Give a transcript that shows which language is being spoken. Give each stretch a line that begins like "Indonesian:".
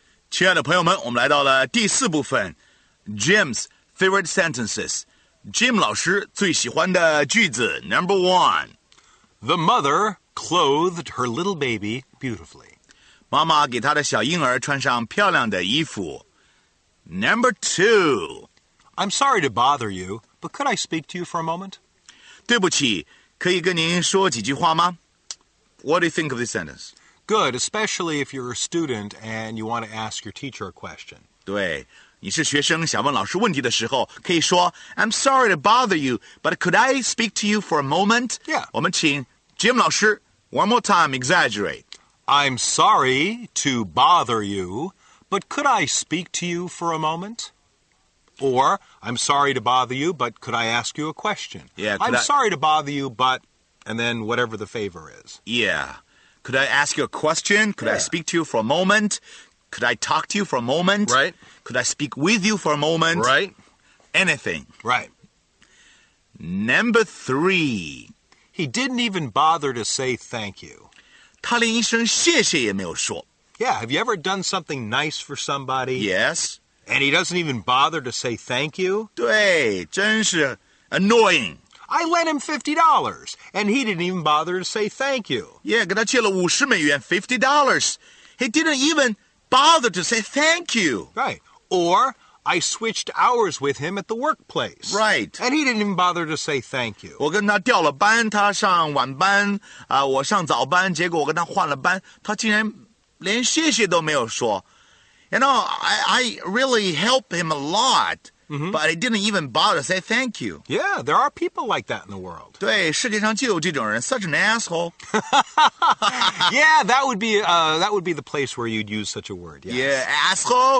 Chinese: 亲爱的朋友们，我们来到了第四部分 ，
English: Jim's favorite sentences.
Chinese: Jim 老师最喜欢的句子 ，
English: Number one. The mother clothed her little baby beautifully.
Chinese: 妈妈给她的小婴儿穿上漂亮的衣服。
English: Number two. I'm sorry to bother you, but could I speak to you for a moment? 对不起，可以跟您说几句话吗？ What do you think of this sentence? Good, especially if you're a student and you want to ask your teacher a question.
Chinese: 对，你是学生想问老师问题的时候，可以说
English: I'm sorry to bother you, but could I speak to you for a moment? Yeah.
Chinese: 我们请Jim 老师
English: one more time, exaggerate. I'm sorry to bother you, but could I speak to you for a moment? Or, I'm sorry to bother you, but could I ask you a question? Yeah, I'm sorry to bother you, but, and then whatever the favor is. Yeah. Could I ask you a question? Could I speak to you for a moment? Could I talk to you for a moment? Right. Could I speak with you for a moment? Right. Anything. Right. Number three. He didn't even bother to say thank you.
Chinese: 他连一声谢谢也没有说。
English: Yeah, have you ever done something nice for somebody? Yes. And he doesn't even bother to say thank you?
Chinese: 对，真是 annoying.
English: I lent him $50, and he didn't even bother to say thank you.
Chinese: Yeah, 给他借了$50, $50.
English: He didn't even bother to say thank you. Right. Or I switched hours with him at the workplace. Right. And he didn't even bother to say thank you.
Chinese: 我跟他调了班，他上晚班，我上早班，结果我跟他换了班，他竟然连谢谢都没有说。
English: You know, I really help him a lot, mm-hmm. but I didn't even bother to say thank you. Yeah, there are people like that in the world.
Chinese: 对，世界上就有这种人，
English: such an asshole. Yeah, that would be the place where you'd use such a word, yes. Yeah, asshole?